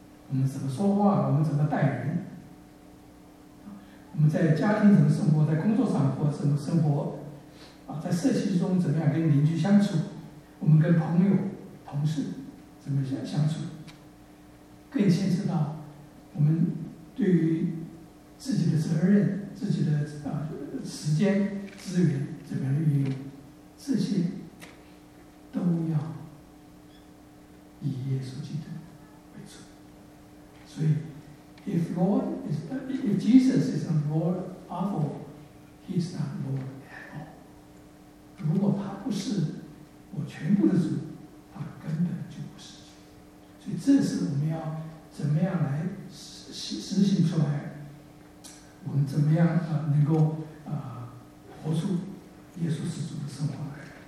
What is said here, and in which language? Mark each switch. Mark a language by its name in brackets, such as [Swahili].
[Chinese] 我们怎么说话，我们怎么待人，我们在家庭怎么生活，在工作上或怎么生活，在社区中怎么样跟邻居相处，我们跟朋友同事怎么样相处，更牵涉到我们对于自己的责任、自己的时间资源怎么样运用，这些都要以耶稣基督。所以 [English] if Jesus is not Lord of all, he is not Lord at all. [Chinese] 如果他不是我全部的主，他根本就不是。所以这是我们要怎么样来实行出来，我们怎么样能够活出耶稣是主的生活来。